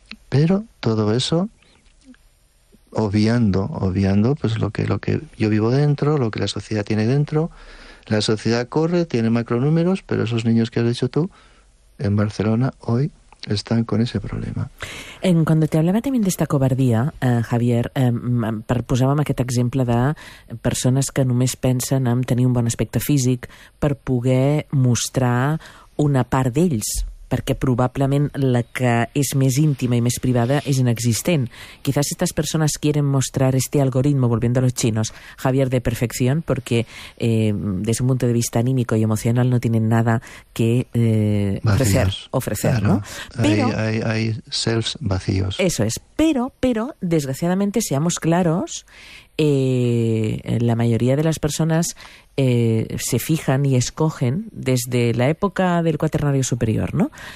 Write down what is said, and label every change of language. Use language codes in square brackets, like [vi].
[es] Pero todo eso obviando pues lo que yo vivo dentro, lo que la sociedad tiene dentro. La sociedad corre, tiene macronúmeros, pero esos niños que has dicho tú en Barcelona hoy están con ese problema. Cuando te hablaba también de esta covardía, [ca] Javier, posàvem aquest exemple de persones que només pensen en tenir un bon aspecte físic per poder mostrar una part d'ells, perquè probablement la que és més íntima i més privada és inexistent. [es] Quizás estas personas quieren mostrar este algoritmo, volviendo a los chinos, Javier, de perfección, porque desde un punto de vista anímico y emocional no tienen nada que ofrecer, claro, ¿no? Hay selves vacíos. Eso es. Pero, desgraciadamente, seamos claros, la mayoría de las personas se fijan y escogen desde la época del cuaternario superior, ¿no?